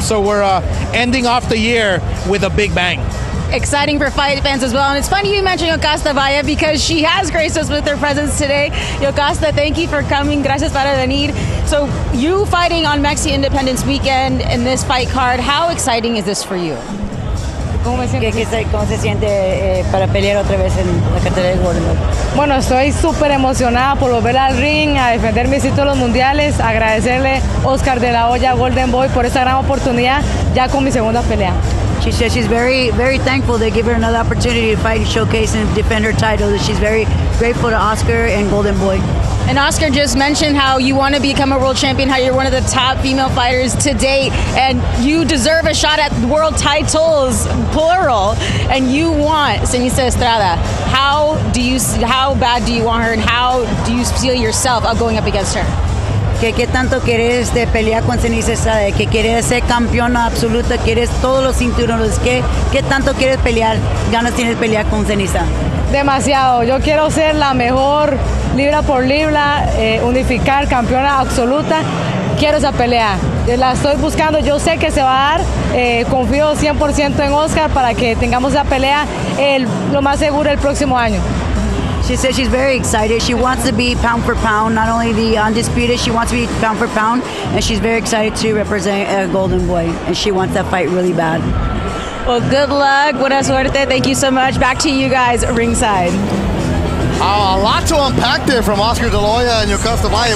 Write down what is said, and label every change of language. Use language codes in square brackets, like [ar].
[en] So we're ending off the year with a big bang. Exciting for fight fans as well. And it's funny you mentioned Yocasta Valle, because she has graced us with her presence today. Yocasta, thank you for coming. [es] Gracias para venir. [en] So you fighting on Mexi Independence Weekend in this fight card, how exciting is this for you? [es] ¿Cómo se siente para pelear otra vez en la cartera de Gordo? Bueno, estoy súper emocionada por volver al ring, a defender mis títulos mundiales, agradecerle Oscar de la Hoya Golden Boy por esta gran oportunidad, ya con mi segunda pelea. [en] She says she's very, very thankful they give her another opportunity to fight, showcase, and defend her title. She's very grateful to Oscar and Golden Boy. And Oscar just mentioned how you want to become a world champion, how you're one of the top female fighters to date, and you deserve a shot at world titles, plural. And you want Senisa Estrada. How bad do you want her, and how do you feel yourself going up against her? [es] ¿Qué tanto quieres de pelear con Senisa Estrada? ¿Qué quieres ser campeona absoluta? ¿Quieres todos los cinturones? ¿Qué tanto quieres pelear? ¿Ganas tienes pelear con Senisa? Demasiado. Yo quiero ser la mejor libra por libra, unificar, campeona absoluta. Quiero esa pelea. La estoy buscando. Yo sé que se va a dar. Confío 100% en Oscar para que tengamos esa pelea lo más seguro el próximo año. [en] She says she's very excited. She wants to be pound for pound, not only the undisputed, she wants to be pound for pound, and she's very excited to represent a Golden Boy, and she wants that fight really bad. Well, good luck. [es] Buena suerte. [en] Thank you so much. Back to you guys ringside. A lot to unpack there from Oscar De La Hoya and Yocasta Valle.